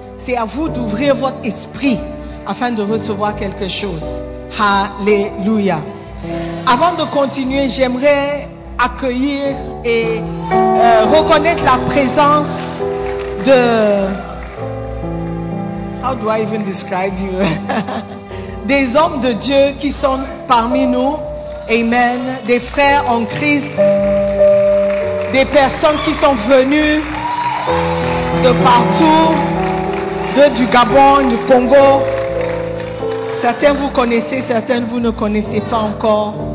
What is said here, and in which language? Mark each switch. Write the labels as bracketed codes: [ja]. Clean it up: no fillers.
[fr] C'est à vous d'ouvrir votre esprit afin de recevoir quelque chose. Alléluia. Avant de continuer, j'aimerais accueillir et reconnaître la présence de... [en] How do I even describe you? [fr] Des hommes de Dieu qui sont parmi nous. Amen. Des frères en Christ. Des personnes qui sont venues de partout. Du Gabon, du Congo. Certains vous connaissez, certains vous ne connaissez pas encore.